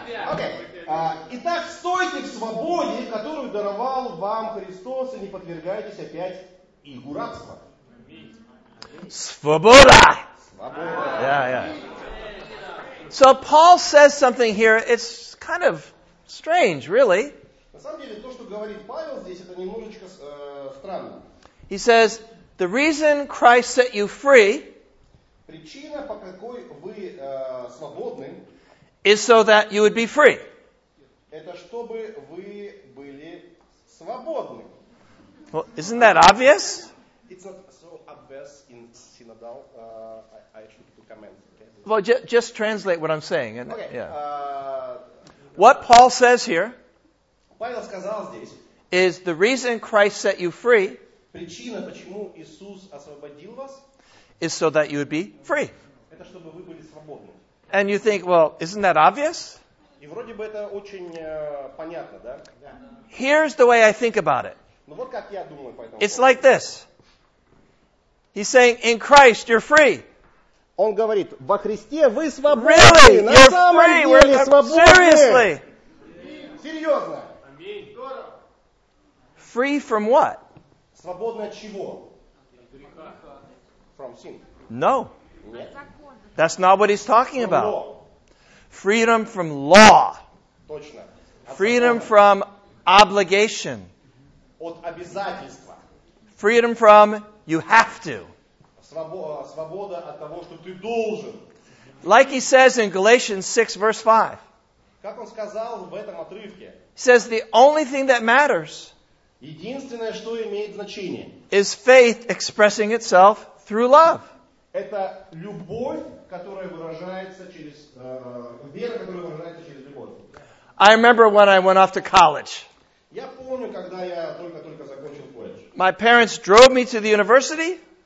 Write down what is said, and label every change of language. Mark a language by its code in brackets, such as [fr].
[ru] Окей. Итак, стойте в свободе, которую даровал вам Христос, и не подвергайтесь опять игу рабства. Свобода! Свобода! [en] Yeah, yeah. So Paul says something here, it's kind of strange, really. [ru] На самом деле, то, что говорит Павел здесь, это немножечко странно. [en] He says, the reason Christ set you free, [ru] причина, по какой вы свободны, [en] is so that you would be free. [ru] Это чтобы вы были свободны. [en] Well, isn't that obvious? It's not so obvious in synodal, I should recommend. Okay? Well, just translate what I'm saying. And, okay. Yeah. What Paul says here, [ru] Павел сказал здесь, [en] is the reason Christ set you free, [ru] причина, почему Иисус освободил вас, [en] is so that you would be free. [ru] Это чтобы вы были свободны. [en] And you think, well, isn't that obvious? [ru] И вроде бы это очень понятно, да? [en] Yeah. Here's the way I think about it. [ru] Ну, вот как я думаю по этому. [en] It's like this. He's saying, in Christ, you're free. [ru] Он говорит, во Христе вы свободны. [en] Really? [ru] На [en] you're [ru] самом [en] free. [ru] Деле [en] We're [ru] свободны. [en] Seriously? [ru] Серьезно? [en] Free from what? [ru] Свободно от чего? [en] From sin. No. Yeah. That's not what he's talking about. Freedom from law. [ru] Точно. [en] Freedom from obligation. [ru] От обязательства. [en] Freedom from you have to. [ru] Свобода от того, что ты должен. [en] Like he says in Galatians 6, verse 5. [ru] Как он сказал в этом отрывке. [en] He says the only thing that matters. [ru] Единственное, что имеет значение. [en] Is faith expressing itself through love. [ru] Это любовь, которая выражается через, вера, которая выражается через любовь. [en] I remember when I went off to college. [ru] Я помню, когда я только-только закончил колледж. [en] My parents drove me to the university.